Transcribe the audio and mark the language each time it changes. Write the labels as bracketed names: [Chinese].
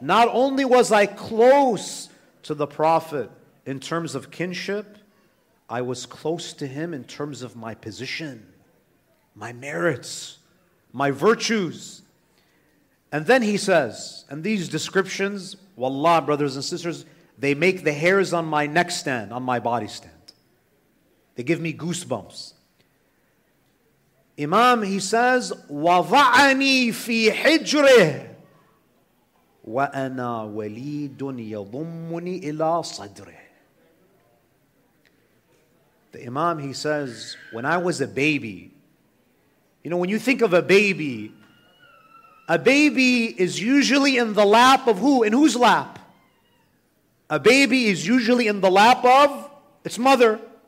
[English] Not only was I close to the Prophet in terms of kinship, I was close to him in terms of my position, my merits, my virtues. And then he says, and these descriptions, wallah, brothers and sisters, they make the hairs on my neck stand, on my body stand. They give me goosebumps. Imam, he says, [Arabic] وَضَعَنِي فِي حِجْرِهِ وَأَنَا وَلِيدٌ يَضُمُّنِي إِلَىٰ صَدْرِهِ. [English] The Imam, he says, when I was a baby, you know, when you think of a baby is usually in the lap of who? In whose lap? A baby is usually in the lap of its mother.